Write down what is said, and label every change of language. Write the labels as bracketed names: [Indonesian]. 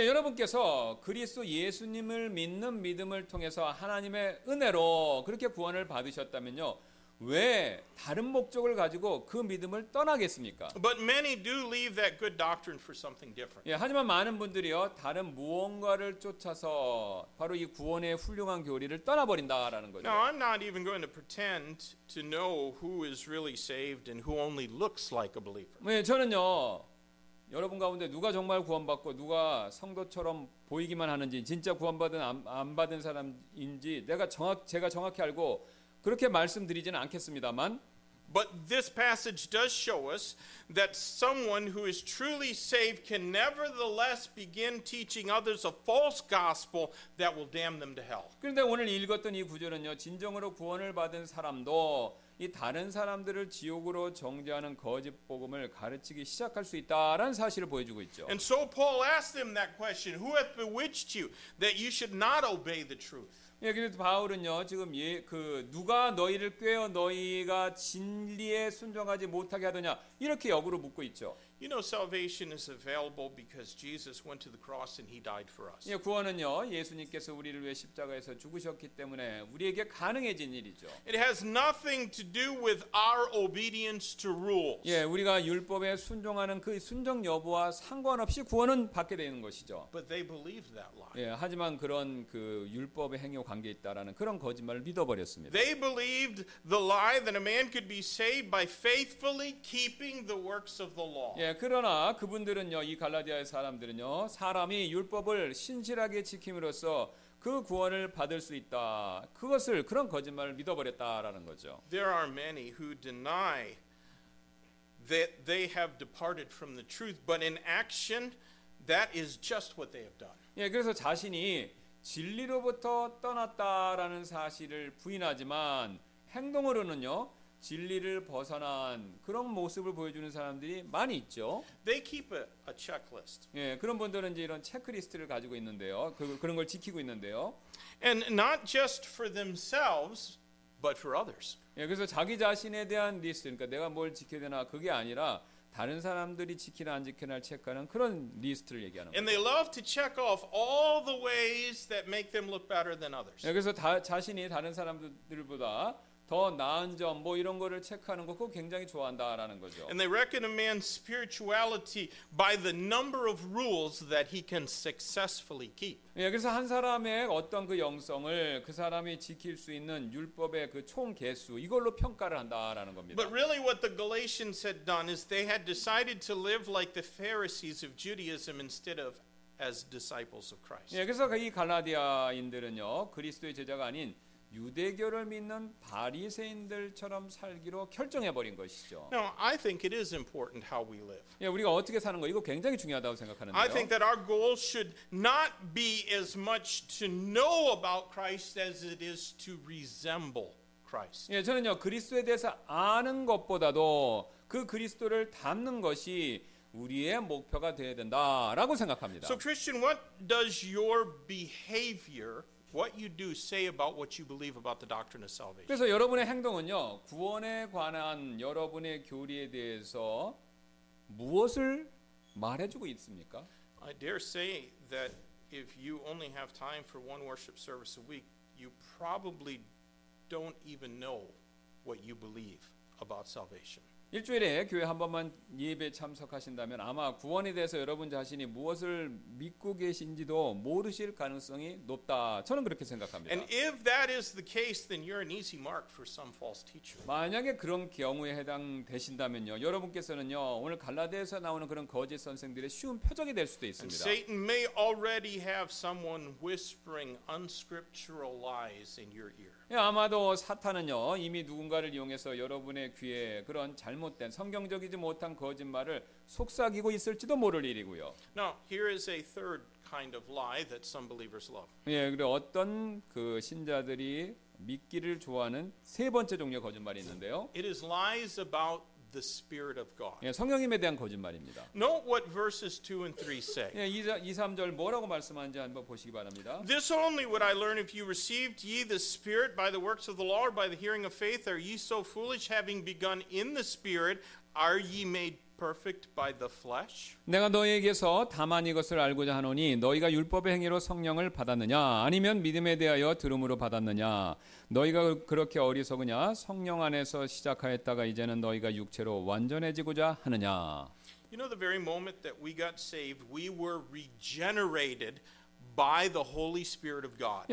[Korean] 예, 여러분께서 그리스도 예수님을 믿는 믿음을 통해서 하나님의 은혜로 그렇게 구원을 받으셨다면요, 왜 다른 목적을 가지고 그 믿음을 떠나겠습니까? [English] But many do leave that good doctrine for something different. [Korean] 예, 하지만 많은 분들이요 다른 무언가를 쫓아서 바로 이 구원의 훌륭한 교리를 떠나버린다라는 거죠. [English] Now I'm not even going to pretend to know who is really saved and who only looks like a believer. [Korean] 네, 저는요 여러분 가운데 누가 정말 구원받고 누가 성도처럼 보이기만 하는지 진짜 구원받은 안 받은 사람인지 제가 정확히 알고. 그렇게 말씀드리지는 않겠습니다만 [English] But this passage does show us that someone who is truly saved can nevertheless begin teaching others a false gospel that will damn them to hell. [Korean] 그런데 오늘 읽었던 이 구절은요. 진정으로 구원을 받은 사람도 이 다른 사람들을 지옥으로 정죄하는 거짓 복음을 가르치기 시작할 수 있다라는 사실을 보여주고 있죠. [English] And so Paul asked them that question, who hath bewitched you that you should not obey the truth? [Korean] 예, 그래서 바울은요 지금 예, 그 누가 너희를 꾀어 너희가 진리에 순종하지 못하게 하더냐 이렇게 역으로 묻고 있죠. [English] You know, salvation is available because Jesus went to the cross and He died for us. [Korean] 예, 구원은요 예수님께서 우리를 위해 십자가에서 죽으셨기 때문에 우리에게 가능해진 일이죠. [English] It has nothing to do with our obedience to rules. [Korean] 예, 우리가 율법에 순종하는 그 순종 여부와 상관없이 구원은 받게 되는 것이죠. [English] But they believed that lie. [Korean] 예, 하지만 그런 그 율법의 행위 관계 있다라는 그런 거짓말을 믿어버렸습니다. [English] They believed the lie that a man could be saved by faithfully keeping the works of the law. [Korean] 예, 그러나 그분들은요, 이 갈라디아의 사람들은요, 사람이 율법을 신실하게 지킴으로써 그 구원을 받을 수 있다. 그것을 그런 거짓말을 믿어버렸다라는 거죠. [English] There are many who deny that they have departed from the truth, but in action, that is just what they have done. [Korean] 예, 그래서 자신이 진리로부터 떠났다라는 사실을 부인하지만 행동으로는요 진리를 벗어난 그런 모습을 보여주는 사람들이 많이 있죠. [English] They keep a checklist. [Korean] 예, 그런 분들은 이제 이런 체크리스트를 가지고 있는데요. 그런 걸 지키고 있는데요. [English] And not just for themselves, but for others. [Korean] 예, 그래서 자기 자신에 대한 리스트, 그러니까 내가 뭘 지켜야 되나 그게 아니라. 다른 사람들이 지키나 안 지키나 체크하는 그런 리스트를 얘기하는 [English] And they love to check off all the ways that make them look better than others. [Korean] 그래서 자신이 다른 사람들보다 더 나은 점 뭐 이런 거를 체크하는 거 그거 굉장히 좋아한다라는 거죠. [English] And they reckon a man's spirituality by the number of rules that he can successfully keep. [Korean] 예, 그래서 한 사람의 어떤 그 영성을 그 사람이 지킬 수 있는 율법의 그 총 개수 이걸로 평가를 한다라는 겁니다. [English] But really what the Galatians had done is they had decided to live like the Pharisees of Judaism instead of as disciples of Christ. [Korean] 예, 그래서 이 갈라디아인들은요. 그리스도의 제자가 아닌 유대교를 믿는 바리새인들처럼 살기로 결정해 버린 것이죠. [English] No, I think it is important how we live. [Korean] 예, 우리가 어떻게 사는 거 이거 굉장히 중요하다고 생각하는데요. [English] I think that our goal should not be as much to know about Christ as it is to resemble Christ. [Korean] 예, 저는요 그리스도에 대해서 아는 것보다도 그 그리스도를 닮는 것이 우리의 목표가 되어야 된다라고 생각합니다. [English] So Christian, what does your behavior What you do say about what you believe about the doctrine of salvation. [Korean] 그래서 여러분의 행동은요 구원에 관한 여러분의 교리에 대해서 무엇을 말해주고 있습니까? [English] I dare say that if you only have time for one worship service a week, you probably don't even know what you believe about salvation. [Korean] 일주일에 교회 한 번만 예배 참석하신다면 아마 구원에 대해서 여러분 자신이 무엇을 믿고 계신지도 모르실 가능성이 높다. 저는 그렇게 생각합니다. [English] And if that is the case, then you're an easy mark for some false teacher. [Korean] 만약에 그런 경우에 해당되신다면요, 여러분께서는요 오늘 갈라디아에서 나오는 그런 거짓 선생들의 쉬운 표적이 될 수도 있습니다. [English] And Satan may already have someone whispering unscriptural lies in your ear. [Korean] 예, 아마도 사탄은요 이미 누군가를 이용해서 여러분의 귀에 그런 잘못된 성경적이지 못한 거짓말을 속삭이고 있을지도 모를 일이고요. [English] Now here is a third kind of lie that some believers love. [Korean] 예, 그리고 어떤 그 신자들이 믿기를 좋아하는 세 번째 종류의 거짓말이 있는데요. [English] It is lies about the spirit of God. [Korean] 예, 성령님에 대한 거짓말입니다. [English] Note what verses 2 and 3 say. [Korean] 예, 2-3절 뭐라고 말씀하는지 한번 보시기 바랍니다. [English] This only would I learn if you received ye the spirit by the works of the law or by the hearing of faith are ye so foolish having begun in the spirit Are ye made perfect by the flesh? [Korean] 내가 너희에게서 다만 이것을 알고자 하노니 너희가 율법의 행위로 성령을 받았느냐 아니면 믿음에 대하여 들음으로 받았느냐 너희가 그렇게 어리석으냐 성령 안에서 시작하였다가 이제는 너희가 육체로 완전해지고자 하느냐. [English] You know, the very moment that we got saved, we were regenerated by the Holy Spirit of God.